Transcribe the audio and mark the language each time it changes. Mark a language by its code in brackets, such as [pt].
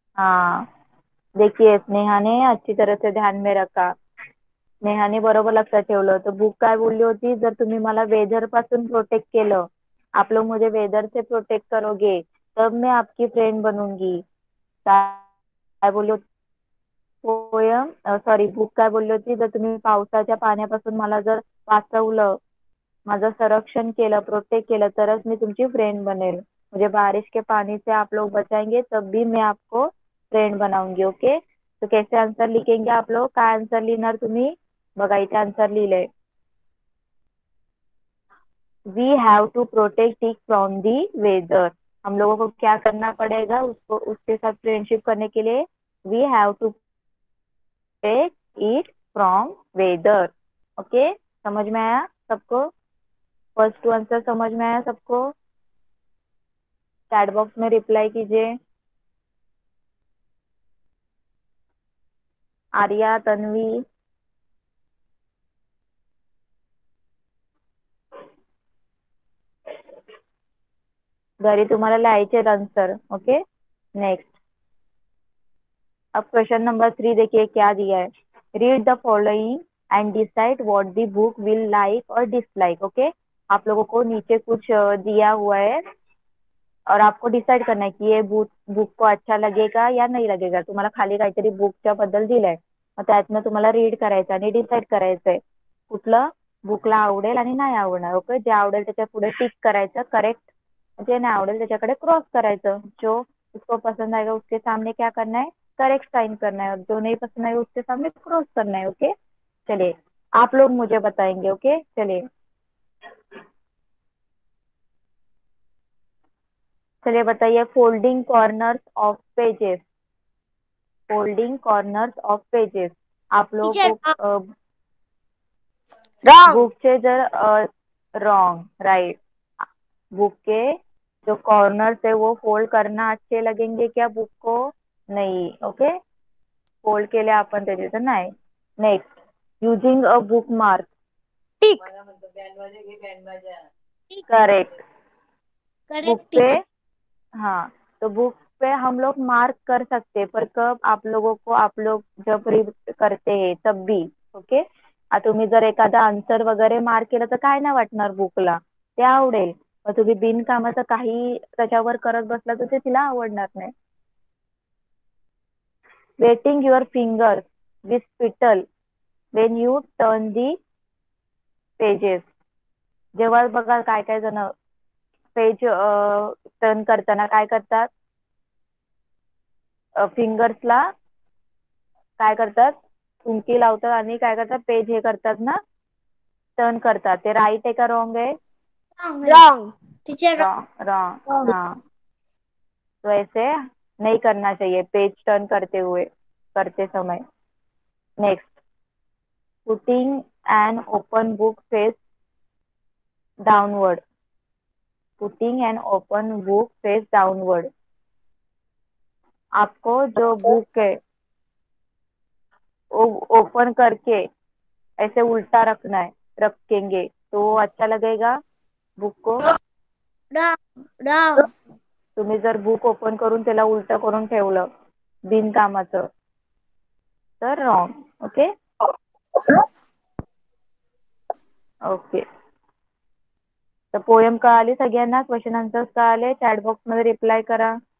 [hi] हाँ देखिए स्नेहा ने अच्छी तरह से ध्यान में रखा, [mr] स्नेहा ने बरोबर लक्षात ठेवलं। तो बुक काय बोलली होती, जर तुम्ही मला वेदर पासून प्रोटेक्ट केलं, [hi] आप लोग मुझे वेदर से प्रोटेक्ट करोगे, तब मैं आपकी फ्रेंड बनूंगी। [mr] काय बोलली होती पोयम, सॉरी बुक काय बोलली होती, जर तुम्ही पावसाच्या पाण्यापासून मला जर वाचवलं, माझं संरक्षण केलं, प्रोटेक्ट केलं, तरच मी तुमची फ्रेंड बनेल। [hi] मुझे बारिश के पानी से आप लोग बचाएंगे, तब भी मैं आपको फ्रेंड बनाऊंगी। ओके तो कैसे आंसर लिखेंगे आप लोग, का आंसर लिखना तुम्हें, बगा इतना आंसर लिखे, [en] we have to protect it from the weather, [hi] हम लोगों को क्या करना पड़ेगा उसको, उसके साथ फ्रेंडशिप करने के लिए, [en] We have to protect it from weather. [hi] Okay समझ में आया सबको, फर्स्ट टू आंसर समझ में आया सबको, चैट बॉक्स में रिप्लाई कीजिए। [mr] आर्या तन्वी ठीक घरी तुम्हाला लिहायचे आंसर। [hi] ओके नेक्स्ट अब क्वेश्चन नंबर 3 देखिए क्या दिया है, [en] Read the following and decide what the book will like और dislike. [hi] ओके आप लोगों को नीचे कुछ दिया हुआ है और आपको डिसाइड करना है कि ये बुक बुक को अच्छा लगेगा या नहीं लगेगा। [mr] तुम्हाला खाली काहीतरी बुकच्या बद्दल दिलाय, मग त्यातनं तुम्हाला रीड करायचं आणि डिसाइड करायचंय कुठलं बुकला आवडेल आणि नाही आवडणार। ओके जे आवडेल त्याच्या पुढे टिक करायचं, करेक्ट? जे ना आवडेल त्याच्याकडे क्रॉस करायचं. [hi] जो उसको पसंद आएगा उसके सामने क्या करना है, करेक्ट साइन करना है, और जो नहीं पसंद आएगा उसके सामने क्रॉस करना है. ओके चलिए आप लोग मुझे बताएंगे. ओके चलिए चलिए बताइए. [en] Folding corners of pages, folding corners of pages. [hi] आप लोगों [en] teacher [hi] को बुक [en] wrong [hi] से जरा रॉन्ग राइट. बुक के जो कॉर्नर्स है वो फोल्ड करना अच्छे लगेंगे क्या बुक को? नहीं. ओके फोल्ड के लिए आपन दे देते ना है. Next, [en] Using a bookmark. Correct correct teacher. [hi] हाँ, तो बुक पे हम लोग मार्क कर सकते हैं, पर कब? आप लोगों को, आप लोग जब रीड करते हैं तब भी. [mr] ओके तुम्ही जर एखादा आंसर वगैरे मार्क केला तर काय ना वाटणार बुकला, ते आवडेल. मग तुम्ही बिनकामाचं काही त्याच्यावर करत बसला तर ते तिला आवडणार नाही. [en] Wetting your finger with spittle when you turn the pages. [mr] जेव्हा बघा काय काय जण पेज टर्न करताना काय करतात, फिंगर्सला काय करतात, थुंकी लावतात आणि काय करतात, पेज हे करतात ना, टर्न करतात. ते राईट आहे का रॉन्ग आहे? Wrong [en] Wrong teacher, wrong. Wrong. [hi] हाँ तो ऐसे नहीं करना चाहिए पेज टर्न करते हुए, करते समय. [en] Next, putting an open book face downward. Putting an open book face downward. [hi] आपको जो बुक है वो ओपन करके ऐसे उल्टा रखना है, रखेंगे तो वो अच्छा लगेगा बुक को. तुम्हें राम [mr] जर बुक ओपन करून त्याला उलट करून ठेवलं बिन कामाचं तर रॉन्ग. ओके ओके तर पोयम कळाली सगळ्यांना? क्वेश्चन आन्सर्स कळाले? चॅट बॉक्स मध्ये रिप्लाय करा.